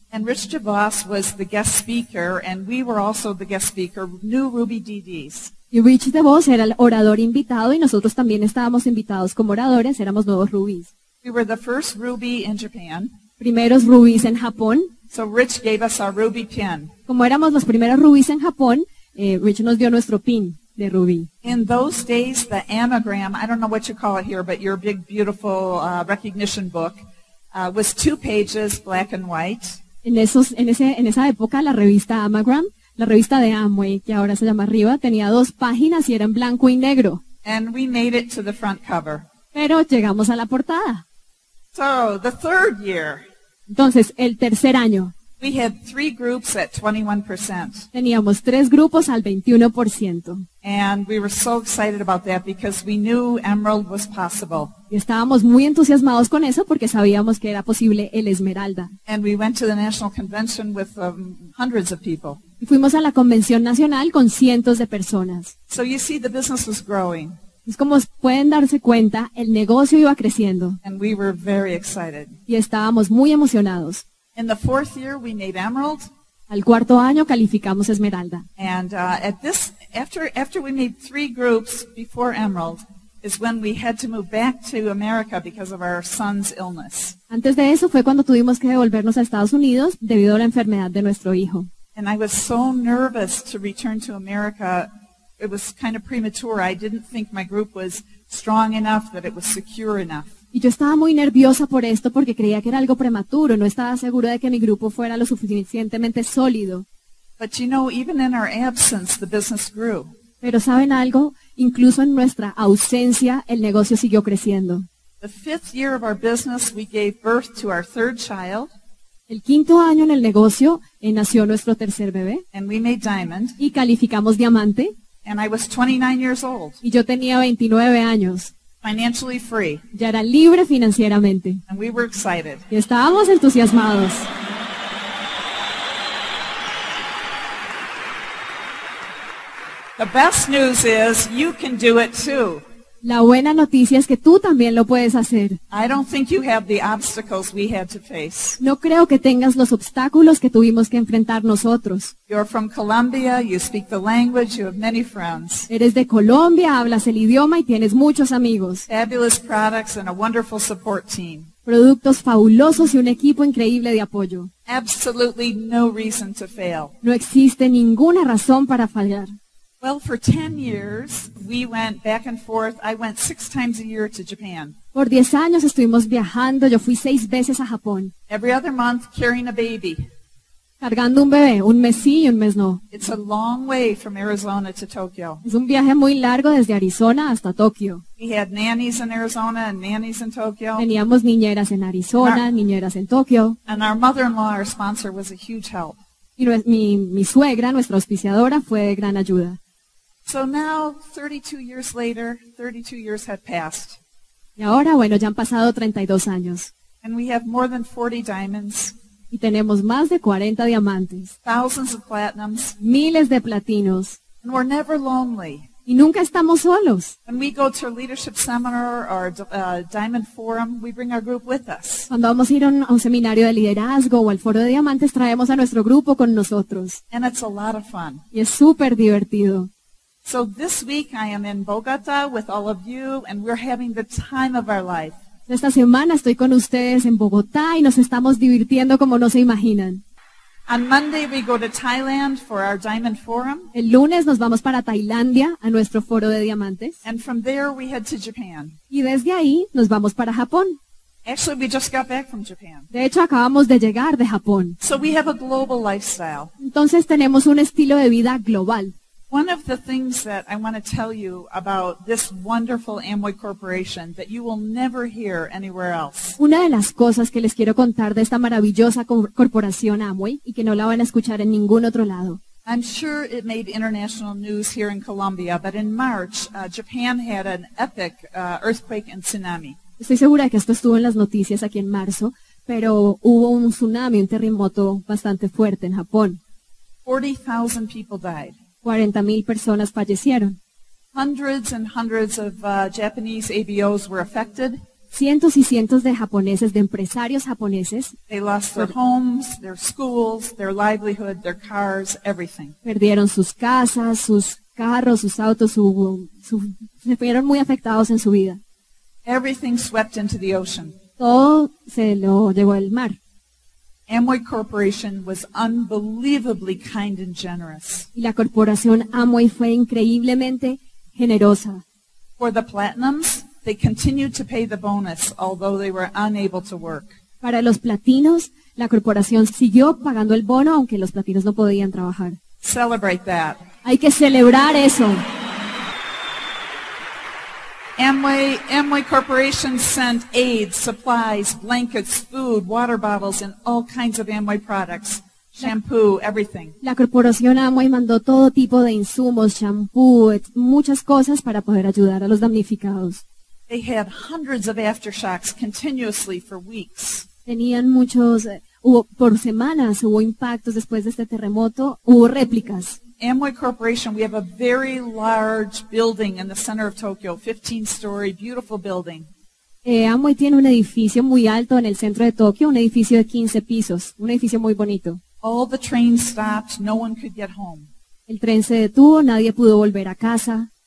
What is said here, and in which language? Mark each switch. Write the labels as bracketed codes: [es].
[en] And Rich DeVos was the guest speaker, and we were also the guest speaker, new Ruby DDs. [es] Y Rich DeVos era el orador invitado, y nosotros también estábamos invitados como oradores, éramos nuevos rubies. [en] We were the first Ruby in Japan. [es] Primeros rubies en Japón. [en] So Rich gave us our ruby pin. [es] Como éramos los primeros rubies en Japón, Rich nos dio nuestro pin de ruby. [en] In those days, the anagram, I don't know what you call it here, but your big, beautiful recognition book, was 2 pages, black and white. [es] En esa época, la revista Amagram, La revista de Amway, que ahora se llama Riva, tenía dos páginas y era en blanco y negro. [en] And we made it to the front cover. [es] Pero llegamos a la portada. [en] So, the third year. [es] Entonces, el tercer año. [en] We had three groups at 21%. [es] Teníamos tres grupos al 21%. [en] And we were so excited about that because we knew Emerald was possible. [es] Y estábamos muy entusiasmados con eso porque sabíamos que era posible el Esmeralda. [en] And we went to the national convention with hundreds of people. [es] Y fuimos a la convención nacional con cientos de personas. [en] So you see, the business was growing. [es] Es como pueden darse cuenta, el negocio iba creciendo. [en] And we were very excited. [es] Y estábamos muy emocionados. [en] In the fourth year, we made Emerald. [es] Al cuarto año calificamos Esmeralda. [en] And at this, after we made three groups before Emerald, is when we had to move back to America because of our son's illness. [es] Antes de eso fue cuando tuvimos que devolvernos a Estados Unidos debido a la enfermedad de nuestro hijo. [en] And I was so nervous to return to America. It was kind of premature. I didn't think my group was strong enough, that it was secure enough. [es] Y yo estaba muy nerviosa por esto porque creía que era algo prematuro. No estaba segura de que mi grupo fuera lo suficientemente sólido. [en] But you know, even in our absence, the business grew. [es] Pero ¿saben algo? Incluso en nuestra ausencia, el negocio siguió creciendo. [en] The fifth year of our business, we gave birth to our third child. [es] El quinto año en el negocio, nació nuestro tercer bebé. [en] And we made diamond. [es] Y calificamos diamante. [en] And I was 29 years old. [es] Y yo tenía 29 años. [en] Financially free. [es] Ya era libre financieramente. [en] And we were excited. [es] Y estábamos entusiasmados. [en] The best news is you can do it too. [es] La buena noticia es que tú también lo puedes hacer. [en] I don't think you have the obstacles we had to face. [es] No creo que tengas los obstáculos que tuvimos que enfrentar nosotros. [en] You're from Colombia, you speak the language, you have many friends. [es] Eres de Colombia, hablas el idioma y tienes muchos amigos. [en] Fabulous products and a wonderful support team. [es] Productos fabulosos y un equipo increíble de apoyo. [en] Absolutely no reason to fail. [es] No existe ninguna razón para fallar. [en] Well, for 10 years, we went back and forth. I went 6 times a year to Japan. [es] Por 10 años estuvimos viajando. Yo fui 6 veces a Japón. [en] Every other month, carrying a baby. [es] Cargando un bebé, un mes sí y un mes no. [en] It's a long way from Arizona to Tokyo. [es] Es un viaje muy largo desde Arizona hasta Tokio. [en] We had nannies in Arizona and nannies in Tokyo. [es] Teníamos niñeras en Arizona, niñeras en Tokio. [en] And our mother-in-law, our sponsor, was a huge help. [es] Y mi suegra, nuestra auspiciadora, fue de gran ayuda. [en] So now, 32 years later, 32 years have passed. [es] Y ahora, bueno, ya han pasado 32 años. [en] And we have more than 40 diamonds. [es] Y tenemos más de 40 diamantes. [en] Thousands of platinums. [es] Miles de platinos. [en] And we're never lonely. [es] Y nunca estamos solos. [en] When we go to a leadership seminar or a diamond forum, we bring our group with us. [es] Cuando vamos a ir a un seminario de liderazgo o al foro de diamantes, traemos a nuestro grupo con nosotros. [en] And it's a lot of fun. [es] Y es súper divertido. [en] So this week I am in Bogotá with all of you and we're having the time of our life. [es] Esta semana estoy con ustedes en Bogotá y nos estamos divirtiendo como no se imaginan. [en] On Monday we go to Thailand for our diamond forum. [es] El lunes nos vamos para Tailandia a nuestro foro de diamantes. [en] And from there we head to Japan. [es] Y desde ahí nos vamos para Japón. [en] Actually, we just got back from Japan. [es] De hecho, acabamos de llegar de Japón. [en] So we have a global lifestyle. [es] Entonces tenemos un estilo de vida global. [en] One of the things that I want to tell you about this wonderful Amway Corporation that you will never hear anywhere else. [es] Una de las cosas que les quiero contar de esta maravillosa corporación Amway y que no la van a escuchar en ningún otro lado. [en] I'm sure it made international news here in Colombia, but in March, Japan had an epic earthquake and tsunami. [es] Estoy segura de que esto estuvo en las noticias aquí en marzo, pero hubo un tsunami, un terremoto bastante fuerte en Japón. [en] 40,000 people died. [es] 40,000 personas fallecieron. [en] Hundreds and hundreds of Japanese ABOs were affected. [es] Cientos y cientos de japoneses, de empresarios japoneses, [en] they lost their homes, their schools, their livelihood, their cars, everything. [es] Perdieron sus casas, sus carros, sus autos, se fueron muy afectados en su vida. [en] Everything swept into the ocean. [es] Todo se lo llevó al mar. [en] Amway Corporation was unbelievably kind and generous. [es] Y la corporación Amway fue increíblemente generosa. [en] For the platinums, they continued to pay the bonus, although they were unable to work. [es] Para los platinos, la corporación siguió pagando el bono, aunque los platinos no podían trabajar. [en] Celebrate that. [es] Hay que celebrar eso. [en] Amway Corporation sent aid, supplies, blankets, food, water bottles, and all kinds of Amway products. Shampoo, everything. [es] La corporación Amway mandó todo tipo de insumos, shampoo, muchas cosas para poder ayudar a los damnificados. [en] They had hundreds of aftershocks continuously for weeks. [es] Tenían muchos, hubo por semanas, hubo impactos después de este terremoto, hubo réplicas. [en] Amway Corporation, we have a very large building in the center of Tokyo, 15-story, beautiful building. [es] Amway tiene un edificio muy alto en el centro de Tokio, un edificio de 15 pisos, un edificio muy bonito. [en] All the trains stopped, no one could get home. [es] El tren se detuvo, nadie pudo volver a casa.